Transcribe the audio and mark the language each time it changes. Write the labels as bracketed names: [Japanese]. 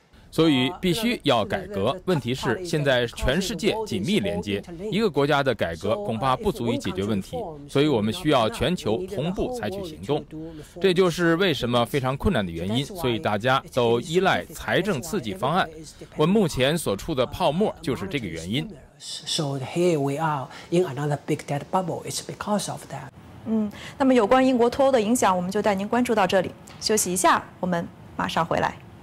[Chinese] 所以必须要改革。问题是现在全世界紧密连接，一个国家的改革恐怕不足以解决问题，所以我们需要全球同步采取行动。这就是为什么非常困难的原因，所以大家都依赖财政刺激方案。我们目前所处的泡沫就是这个原因。 [English] So here we are in another big debt bubble. It's because of that. [Chinese] 那么有关英国脱欧的影响，我们就带您关注到这里。休息一下，我们马上回来。